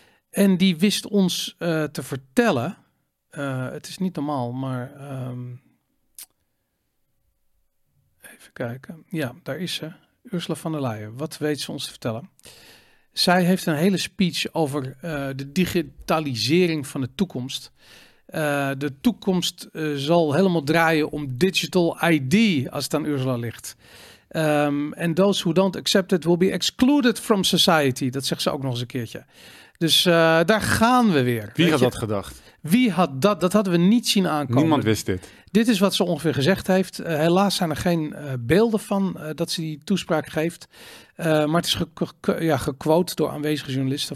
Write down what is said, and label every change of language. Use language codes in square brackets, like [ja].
[nl] En die wist ons te vertellen. Het is niet normaal, maar even kijken. Ja, daar is ze. Ursula von der Leyen. Wat weet ze ons te vertellen? Zij heeft een hele speech over de digitalisering van de toekomst. De toekomst zal helemaal draaien om digital ID als het aan Ursula ligt. [en] And those who don't accept it will be excluded from society. [nl] Dat zegt ze ook nog eens een keertje. Dus daar gaan we weer. Wie had dat gedacht? Wie had dat? Dat hadden we niet zien aankomen. Niemand wist dit. Dit is wat ze ongeveer gezegd heeft. Helaas zijn er geen beelden van dat ze die toespraak geeft. Maar het is gequote door aanwezige journalisten.